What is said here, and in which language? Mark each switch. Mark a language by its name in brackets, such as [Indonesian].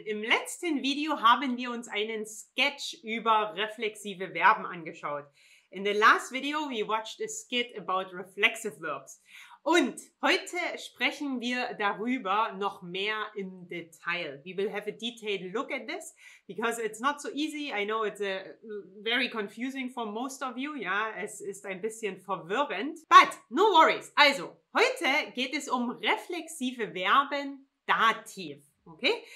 [German] Im letzten Video haben wir uns einen Sketch über reflexive Verben angeschaut. [English] In the last video we watched a skit about reflexive verbs. [German] Und heute sprechen wir darüber noch mehr im Detail. [English] We will have a detailed look at this because it's not so easy. I know it's very confusing for most of you. [German] Ja, es ist ein bisschen verwirrend. [English] But no worries! [German] Also, heute geht es um reflexive Verben Dativ, okay?